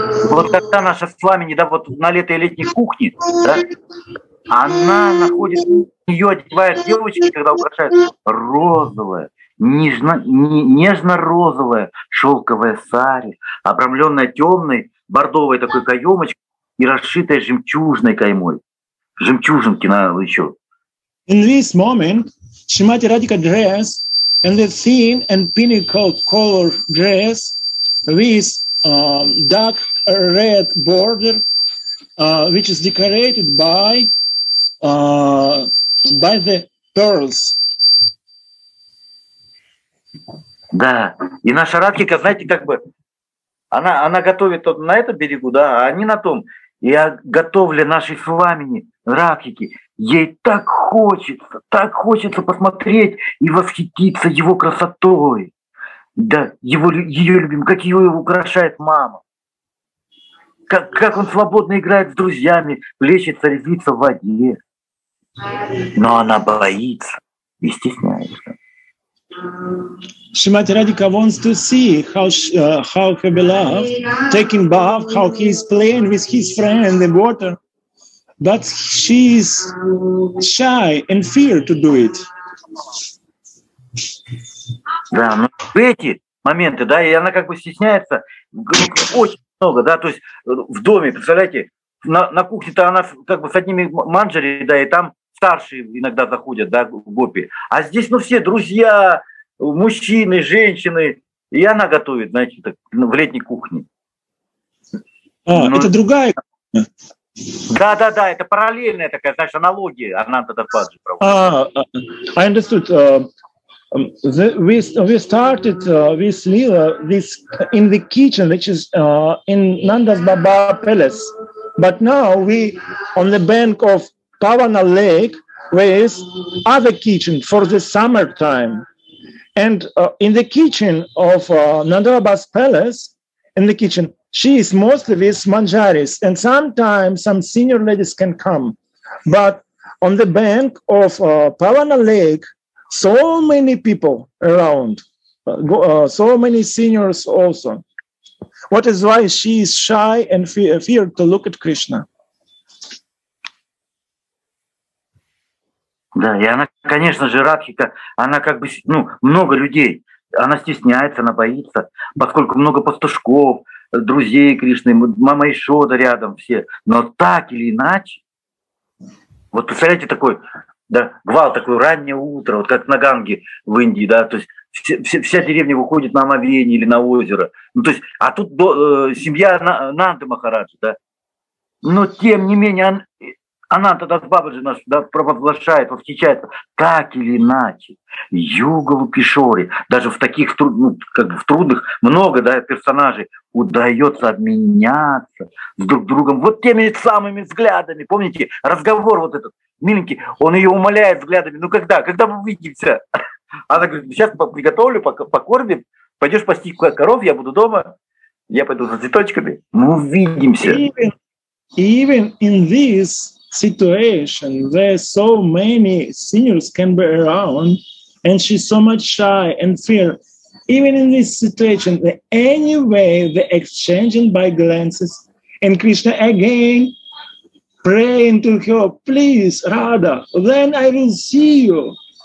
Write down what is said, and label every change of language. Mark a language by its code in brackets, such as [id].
[ru] Вот когда наша Свамини, да, вот на летой и летней кухне, да, она находит, ее одевает девочки, когда украшает, розовое, нежно-розовое шелковое сари, обрамленное темной бордовой такой каемочкой и расшитая жемчужной каймой. Жемчужинки на еще. [en] In this moment, Shrimati Radhika dress and the thin and pinnacled color dress with dark red border, which is decorated by the pearls. [ru] Да, и наша Радхика, знаете, как бы, она готовит вот на этом берегу, да, а они на том. Я готовлю нашей Свамини, Радхики. Ей так хочется посмотреть и восхититься его красотой. Да, ее любимым, как ее украшает мама. Как он свободно играет с друзьями, плещется, резвится в воде. Но она боится и стесняется. [en] Shrimati Radhika wants to see how her beloved taking bath, how he is playing with his friend in the water, but she is shy and fear to do it. [ru] Да, но в эти моменты, да, и она как бы стесняется очень много, да, то есть в доме, представляете, на кухне-то она как бы с одними манджари, да, и там старшие иногда заходят, да, в гопи, а здесь, ну, все друзья, мужчины, женщины, и она готовит, знаете, так, в летней кухне. А, но... это другая? Да-да-да, это параллельная такая, знаешь, аналогия, Ананта Дарпаджи проводит. [en] I understood. We started with Lila this in the kitchen, which is in Nanda's Baba Palace, but now we on the bank of Pavana Lake with other kitchen for the summer time. And in the kitchen of Nanda Baba's palace, in the kitchen, she is mostly with manjaris, and sometimes some senior ladies can come. But on the bank of Pavana Lake, so many people around, so many seniors also. What is why she is shy and fear to look at Krishna. [ru] Да, и она, конечно же, Радхика, она как бы, ну, много людей, она стесняется, она боится, поскольку много пастушков, друзей Кришны, мама Ишода рядом все, но так или иначе, вот представляете, такой, да, гвалт, такое раннее утро, вот как на Ганге в Индии, да, то есть вся деревня выходит на омовение или на озеро, ну, то есть, а тут семья Нанды Махараджи, да, но тем не менее, она тогда с Бабаджи нас, да, провозглашает, восхищается. Так или иначе, Юга Лукишори, даже в таких ну, как бы в трудных, много, да, персонажей, удается обменяться с друг другом вот теми самыми взглядами. Помните, разговор вот этот, миленький, он ее умоляет взглядами. Ну когда? Когда мы увидимся? Она говорит, сейчас приготовлю, покормим, пойдешь пасти коров, я буду дома, я пойду за цветочками, мы увидимся. [en] Even in this situation, there so many seniors can be around, and she's so much shy and fear. Even in this situation, anyway, the exchanging by glances, and Krishna again praying to her, please, Radha, then I will see you.